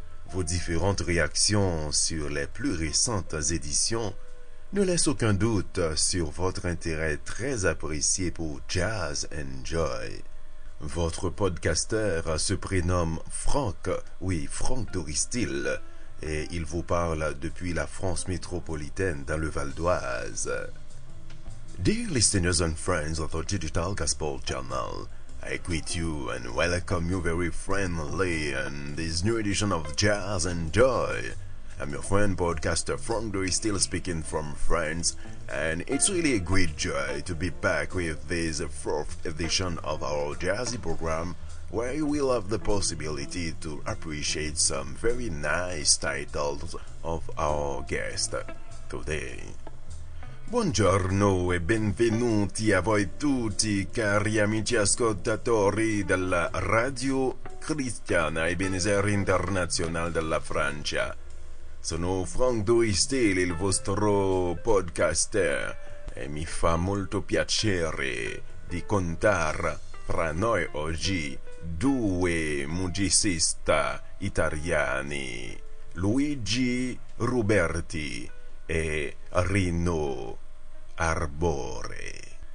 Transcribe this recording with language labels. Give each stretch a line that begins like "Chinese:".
French: Vos différentes réactions sur les plus récentes éditions ne laissent aucun doute sur votre intérêt très apprécié pour Jazz and Joy. Votre podcasteur se prénomme Franck, oui, Franck Doristil, et il vous parle depuis la France métropolitaine dans le Val d'Oise.
English: Dear listeners and friends of the Digital Gospel Channel, I greet you and welcome you very friendly in this new edition of Jazz and Joy. I'm your friend, podcaster Franck Doristil, speaking from France, and it's really a great joy to be back with this fourth edition of our jazzy program, where you will have the possibility to appreciate some very nice titles of our guest today.
Italian: Buongiorno e benvenuti a voi tutti, cari amici ascoltatori della Radio Cristiana Ebenezer Internazionale della Francia. Sono Franck Doristil, il vostro podcaster, e mi fa molto piacere di contare fra noi oggi due musicisti italiani, Luigi Ruberti e Rino Arbore.